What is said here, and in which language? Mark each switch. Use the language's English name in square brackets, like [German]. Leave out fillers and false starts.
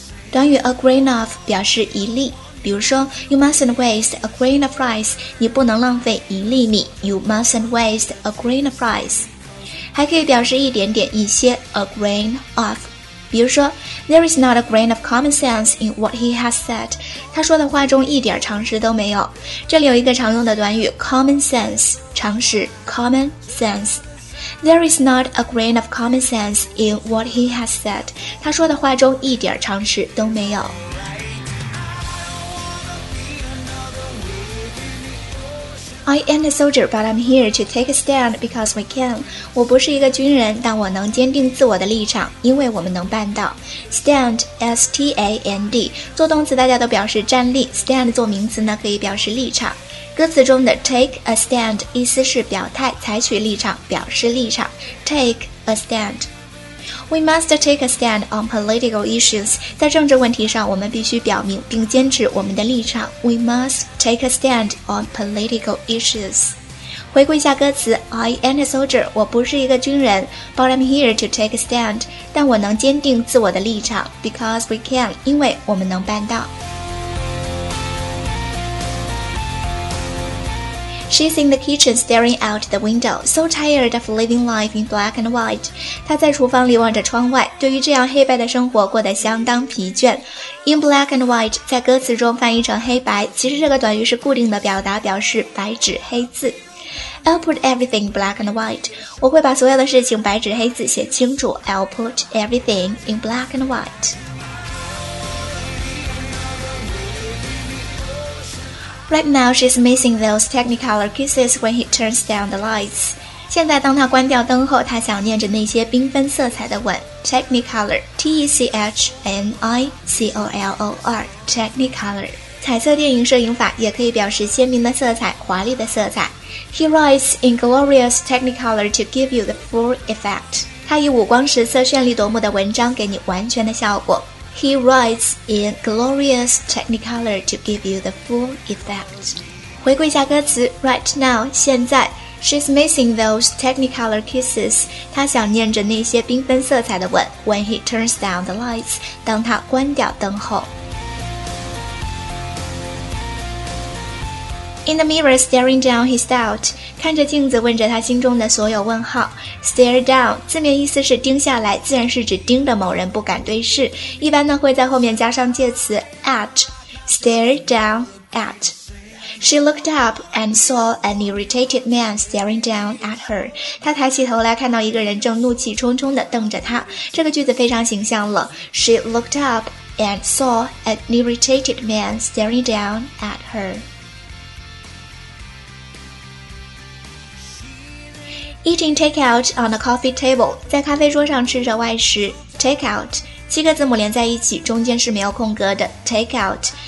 [Chinese] 短语 [English] a grain of [Chinese] 表示一粒比如说 [English] You mustn't waste a grain of rice [Chinese] 你不能浪费一粒米 [English] You mustn't waste a grain of rice [Chinese] 还可以表示一点点一些 [English] a grain of [Chinese] 比如说 [English] There is not a grain of common sense in what he has said [Chinese] 他说的话中一点常识都没有。这里有一个常用的短语 common sense, 常识 common sense. [English] There is not a grain of common sense in what he has said. [Chinese] 他说的话中一点常识都没有。 [English] I am a soldier, but I'm here to take a stand because we can. [Chinese] 我不是一个军人，但我能坚定自我的立场，因为我们能办到。 Stand, S-T-A-N-D, 做动词大家都表示站立。 Stand 做名词呢，可以表示立场。歌词中的 take a stand 意思是表态，采取立场，表示立场。 [English] Take a stand. We must take a stand on political issues. [Chinese] 在政治问题上，我们必须表明并坚持我们的立场。 [English] We must take a stand on political issues. [Chinese] 回顾一下歌词 [English] I am a soldier, [Chinese] 我不是一个军人 [English] But I'm here to take a stand. [Chinese] 但我能坚定自我的立场 [English] Because we can, [Chinese] 因为我们能办到。 [English] She's in the kitchen staring out the window, so tired of living life in black and white. [Chinese] 她在厨房里望着窗外，对于这样黑白的生活过得相当疲倦。 In black and white, 在歌词中翻译成黑白，其实这个短语是固定的表达，表示白纸黑字。 [English] I'll put everything black and white. [Chinese] 我会把所有的事情白纸黑字写清楚。 [English] I'll put everything in black and white. Right now, she's missing those technicolor kisses when he turns down the lights. [Chinese] 现在当他关掉灯后，他想念着那些缤纷色彩的吻。 [English] Technicolor, T-E-C-H-N-I-C-O-L-O-R, Technicolor. [Chinese] 彩色电影摄影法也可以表示鲜明的色彩，华丽的色彩。 [English] He writes in glorious technicolor to give you the full effect. [Chinese] 他以五光十色、绚丽夺目的文章给你完全的效果。 [English] He writes in glorious technicolor to give you the full effect. [Chinese] 回顾一下歌词 [English] Right now, [Chinese] 现在 [English] She's missing those technicolor kisses. [Chinese] 她想念着那些缤纷色彩的吻 [English] When he turns down the lights, [Chinese] 当他关掉灯后 [English] In the mirror staring down his doubt. [Chinese] 看着镜子问着他心中的所有问号 Stare down 字面意思是盯下来自然是指盯着某人不敢对视一般呢会在后面加上介词 at Stare down at [English] She looked up and saw an irritated man staring down at her [Chinese] 她抬起头来看到一个人正怒气冲冲地瞪着她这个句子非常形象了 [English] She looked up and saw an irritated man staring down at herEating takeout on a coffee table, [Chinese] 在咖啡桌上吃着外食 [English] takeout, [Chinese] 七个字母连在一起中间是没有空格的 [English] takeout,